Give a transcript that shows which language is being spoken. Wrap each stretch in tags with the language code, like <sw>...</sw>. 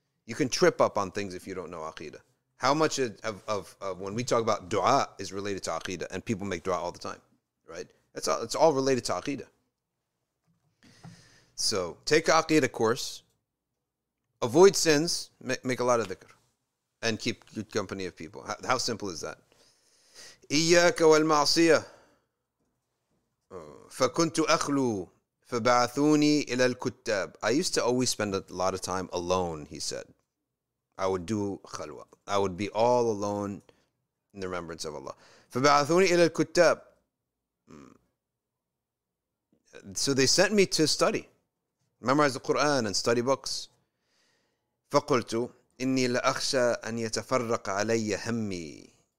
<en>You can trip up on things if you don't know aqidah. How much of when we talk about dua is related to aqidah, and people make dua all the time, right? It's all related to aqidah. So take aqidah course, avoid sins, make a lot of dhikr, and keep good company of people. How simple is that?</en> <ar>إياك والمعصية فكنت أخلو فبعثوني إلى الكتاب.</ar> <en>I used to always spend a lot of time alone, he said. I would do khalwa. I would be all alone in the remembrance of Allah.</en> <ar>فَبَعَثُونِ إِلَى الْكُتَّابِ.</ar> <en>So they sent me to study, memorize the Quran and study books.</en> <ar>فَقُلْتُ إِنِّي لَأَخْشَى أَنْ يَتَفَرَّقَ عَلَيَّ هَمِّي.</ar>